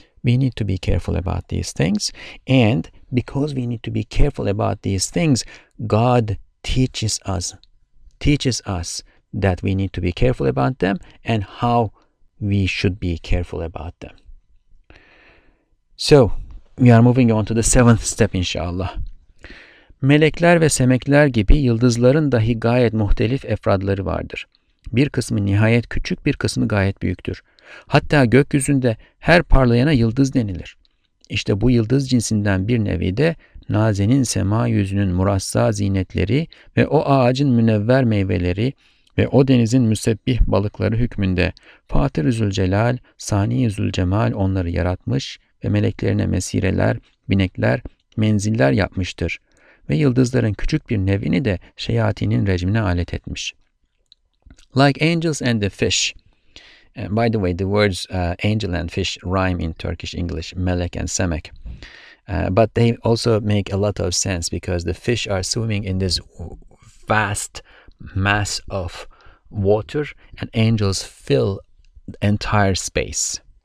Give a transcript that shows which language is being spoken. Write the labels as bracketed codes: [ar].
[en] We need to be careful about these things. And because we need to be careful about these things, God teaches us that we need to be careful about them and how we should be careful about them. So, we are moving on to the seventh step inshallah. [tr] Melekler ve semekler gibi yıldızların dahi gayet muhtelif efradları vardır. Bir kısmı nihayet küçük, bir kısmı gayet büyüktür. Hatta gökyüzünde her parlayana yıldız denilir. İşte bu yıldız cinsinden bir nevi de nazenin sema yüzünün murassa zinetleri ve o ağacın münevver meyveleri ve o denizin müsebbih balıkları hükmünde Fatır-ı Zülcelal, Sani-i Zülcemal onları yaratmış ve meleklerine mesireler, binekler, menziller yapmıştır. Ve yıldızların küçük bir nevini de şeyatinin rejimine alet etmiş. [en] Like angels and the fish. And by the way, the words angel and fish rhyme in Turkish English, melek and semek. But they also make a lot of sense because the fish are swimming in this vast mass of water and angels fill the entire space.